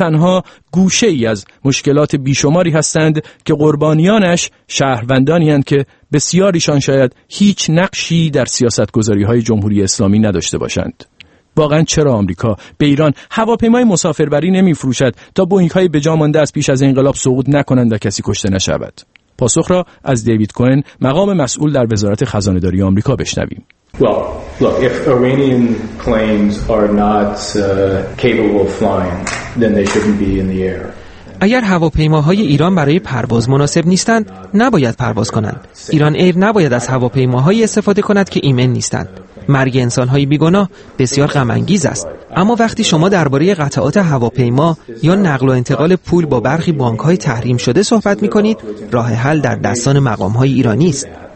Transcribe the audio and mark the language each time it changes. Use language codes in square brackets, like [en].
[fa] تنها گوشه ای از مشکلات بیشماری هستند که قربانیانش شهروندانی هستند که بسیاریشان شاید هیچ نقشی در سیاستگذاری های جمهوری اسلامی نداشته باشند. واقعا چرا آمریکا به ایران هواپیمای مسافربری نمی فروشد تا بوئینگ های بجامانده از پیش از انقلاب سقوط نکنند و کسی کشته نشود؟ پاسخ را از دیوید کوهن، مقام مسئول در وزارت خزانه داری آمریکا بشنویم. [en] Well, look, if Iranian planes are not capable of flying, then they shouldn't be in the air. [fa] اگر هواپیماهای ایران برای پرواز مناسب نیستند، نباید پرواز کنند. ایران ایر نباید از هواپیماهایی استفاده کند که ایمن نیستند. مرگ انسانهای بیگناه بسیار غم‌انگیز است. اما وقتی شما درباره قطعات هواپیما یا نقل و انتقال پول با برخی بانک‌های تحریم شده صحبت می‌کنید، راه حل در دستان مقام‌های ایرانی است.